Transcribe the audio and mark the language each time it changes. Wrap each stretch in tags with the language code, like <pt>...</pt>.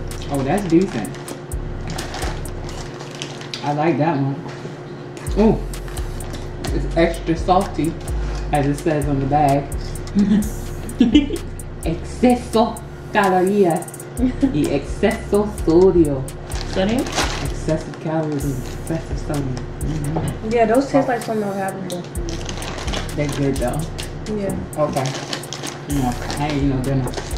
<en>Oh, that's decent. I like that one. Ooh, it's extra salty, as it says on the bag.</en> <es>Exceso calorías y exceso sodio.</es> <en>Sodium? Excessive calories and excessive sodium. Mm-hmm. Yeah, those taste like something that happened before. They're good though. Yeah. Okay. You know, I ain't eating no dinner.</en>